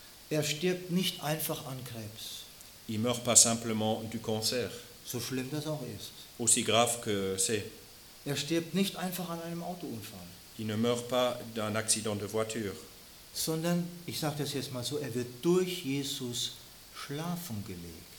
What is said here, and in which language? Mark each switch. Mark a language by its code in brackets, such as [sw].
[de] Er stirbt nicht einfach an Krebs. [fr] Il meurt pas simplement du cancer. [de] So schlimm das auch ist. [fr] Aussi grave que c'est. [de] Er stirbt nicht einfach an einem Autounfall. [fr] Il ne meurt pas d'un accident de voiture. [de] Sondern, ich sage das jetzt mal so, er wird durch Jesus schlafen gelegt.